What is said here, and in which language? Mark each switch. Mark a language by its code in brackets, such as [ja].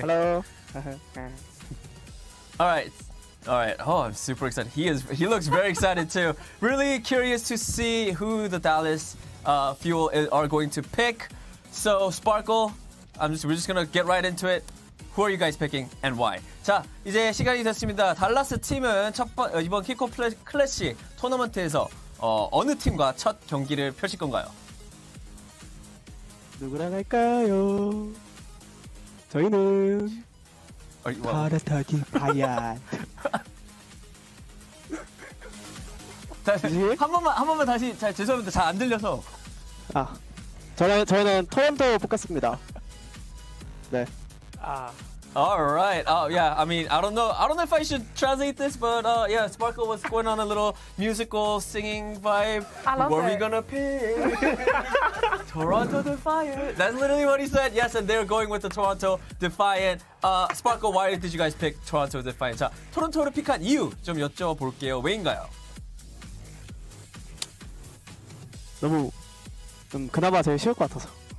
[en] Hello. All right. All right. Oh, I'm super excited. He looks very excited too. Really curious to see who the Dallas Fuel are going to pick. So, Sparkle, we're just going to get right into it. Who are you guys picking and why? [ko] 자, 이제 시간이 됐습니다. 달라스 팀은 이번 키코 클래시 토너먼트에서 어느 팀과 첫 경기를 펼칠 건가요? 누구랑 할까요? 저희는 파라타기 바얀. 한 번만 다시. 자, 죄송합니다. 잘 안 들려서. 아, 저희는 토론토 포커스입니다. 네. [en] 아, all right. Oh, yeah. I mean, I don't know if I should translate this, but yeah, Sparkle was going on a little musical singing vibe. I love it. Where are we gonna pick? Toronto Defiant. That's literally what he said. Yes, and they're going with the Toronto Defiant. Sparkle, why did you guys pick Toronto Defiant? [ko] 자, 토론토를 픽한 이유 좀 여쭤볼게요. 왜인가요? 너무 좀 그나마 제일 쉬울 것 같아서.